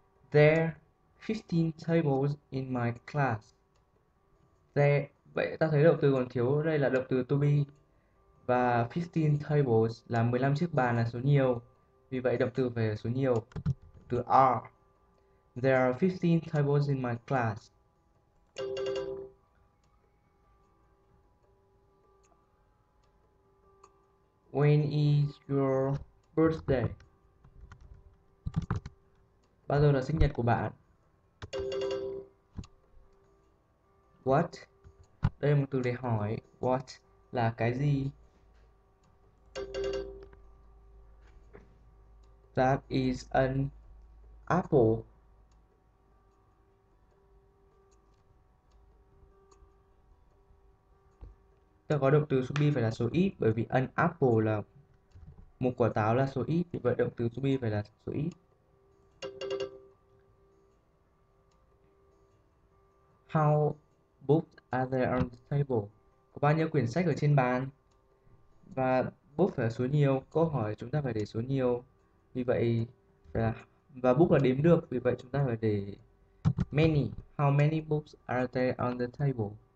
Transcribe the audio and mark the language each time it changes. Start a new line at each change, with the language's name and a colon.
English: There 15 tables in my class.
Vietnamese: There, vậy ta thấy động từ còn thiếu, đây là động từ to be. Và 15 tables là 15 chiếc bàn là số nhiều. Vì vậy động từ về số nhiều, từ are.
English: There are 15 tables in my class. When is your birthday?
Vietnamese: Bao giờ là sinh nhật của bạn? What? Đây là một từ để hỏi. What là cái gì?
English: That is an apple.
Vietnamese: Ta có động từ to be phải là số ít, bởi vì an apple là một quả táo là số ít, thì vậy động từ to be phải là số ít.
English: How books are there on the table?
Vietnamese: Có bao nhiêu quyển sách ở trên bàn? Và book phải là số nhiều, câu hỏi chúng ta phải để số nhiều. Vì vậy là, và book là đếm được, vì vậy chúng ta phải để many.
English: How many books are there on the table?